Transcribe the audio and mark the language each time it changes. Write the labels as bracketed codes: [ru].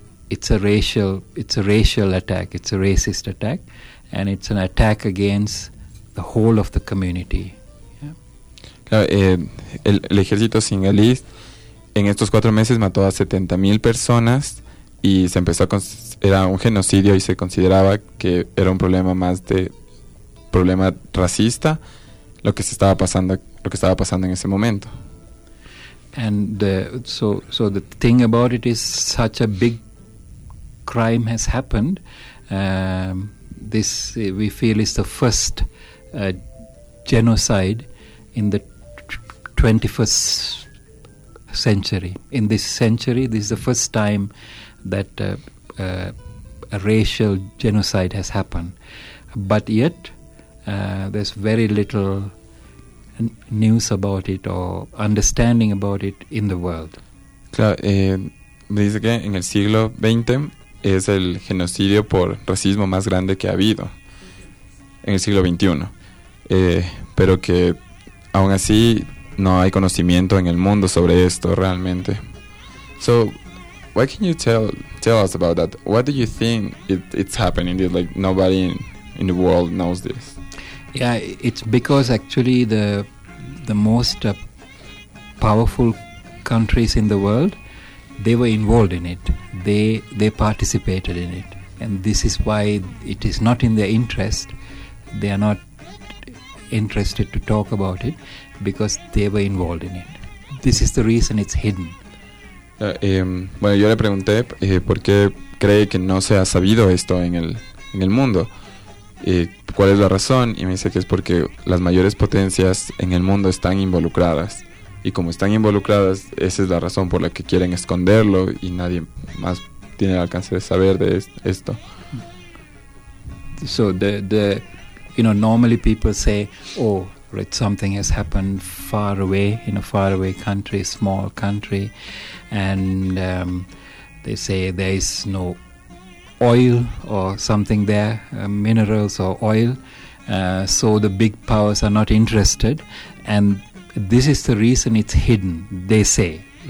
[en] It's a racial attack. It's a racist attack, and it's an attack against the whole of the community. [es] Claro, el ejército sinhalí en estos 4 meses mató a 70,000 personas y se empezó era un genocidio y se consideraba que era un problema más de problema racista lo que estaba pasando en ese momento. [en] And so the thing about it is such a big crime has happened. This we feel is the first genocide in the 21st century. In this century, this is the first time that a racial genocide has happened. But yet, there's very little news about it or understanding about it in the world. [es] Claro, me dice que en el siglo XX es el genocidio por racismo más grande que ha habido. En el siglo XXI. Pero que aún así no hay conocimiento en el mundo sobre esto realmente. [en] So, why can you tell us about that? What do you think it's happening? It's like nobody in the world knows this. Yeah, it's because actually the most powerful countries in the world, they were involved in it. They participated in it. And this is why it is not in their interest. They are not interested to talk about it, because they were involved in it. This is the reason it's hidden. [es] Bueno, yo le pregunté por qué cree que no se ha sabido esto en el mundo. ¿Cuál es la razón? Y me dice que es porque las mayores potencias en el mundo están involucradas. Y como están involucradas, esa es la razón por la que quieren esconderlo y nadie más tiene el alcance de saber de esto. [en] So the you know, normally people say, oh, right, something has happened far away, in a far away country, small country, and they say there is no oil or something there, minerals or oil, so the big powers are not interested, and this is the reason it's hidden, they say.